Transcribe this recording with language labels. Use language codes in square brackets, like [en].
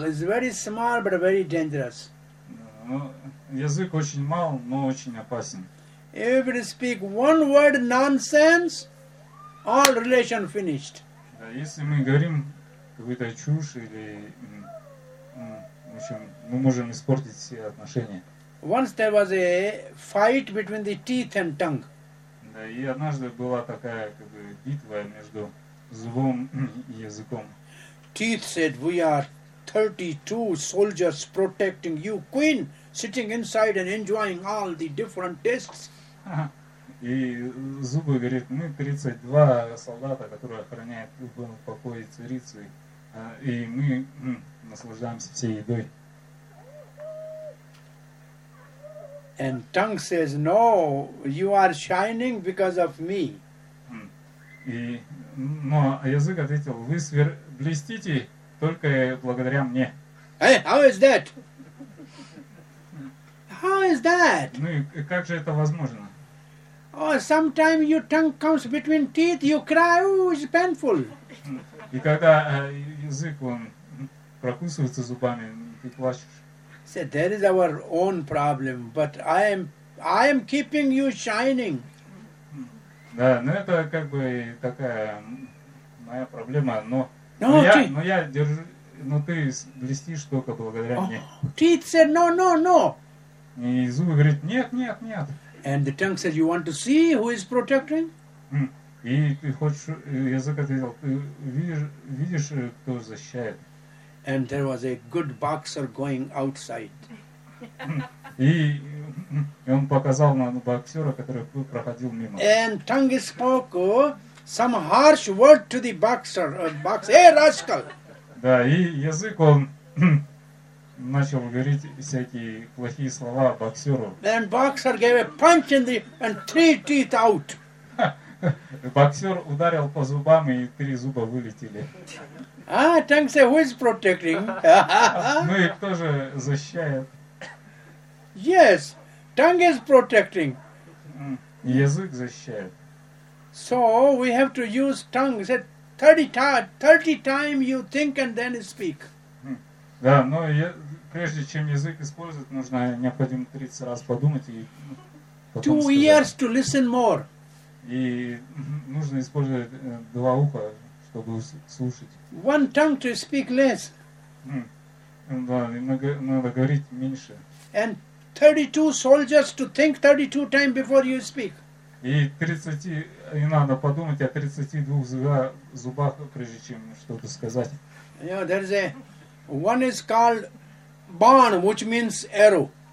[en] It's very small, but very dangerous. [ru] Ну, язык очень мал, но очень опасен. [en] If you speak one word nonsense, all relation finished. [ru] Если мы говорим какую-то чушь или, в общем, мы можем испортить все отношения. [en] Once there was a fight between the teeth and tongue. [ru] Да, и однажды была такая как бы битва между зубом и языком. [en] Teeth said, "We are 32 soldiers protecting you, queen, sitting inside and enjoying all the different tastes." [ru] И зубы говорит, мы 32 солдата, которые охраняют покои царицы, и мы наслаждаемся всей едой. [en] And tongue says, "No, you are shining because of me." [ru] И, но язык ответил, вы блестите только благодаря мне. [en] Hey, how is that? How is that? [ru] Ну и как же это возможно? [en] Oh, sometimes your tongue comes between teeth, you cry, oh, it's painful. [ru] И когда язык, он прокусывается зубами, ты плачешь. [en] See, there is our own problem, but I am keeping you shining. [ru] Да, ну это как бы такая моя проблема, но ты блестишь только благодаря мне. [en] Teeth said no, no, no. [ru] И зубы говорят, нет, нет, нет. [en] And the tongue says, you want to see who is protecting? [ru] И ты хочешь, язык ответил, ты видишь, кто защищает? [en] And there was a good boxer going outside. [ru] И он показал на боксера, который проходил мимо. [en] And tongue spoke some harsh word to the boxer. Hey, rascal! [ru] Да, и язык, он начал говорить всякие плохие слова боксеру. [en] And boxer gave a punch in the and three teeth out. [ru] Боксер ударил по зубам, и три зуба вылетели. [en] Ah, tongue said, who is protecting? [ru] Ну и кто же защищает? [en] Yes, tongue is protecting. [ru] Язык защищает. [en] So we have to use tongue. Said 30 times you think and then speak. [ru] Да, но прежде чем язык использовать, нужно необходимо 30 раз подумать и потом сказать. [en] 2 years to listen more. [ru] И нужно использовать 2 уха, чтобы слушать. [en] 1 tongue to speak less. [ru] Да, надо говорить меньше. [en] And 32 soldiers to think 32 times before you speak. [ru] И 30, и надо подумать о 32 зубах, прежде чем что-то сказать. [en] Yeah, there is a, one is called Bon, which means arrow.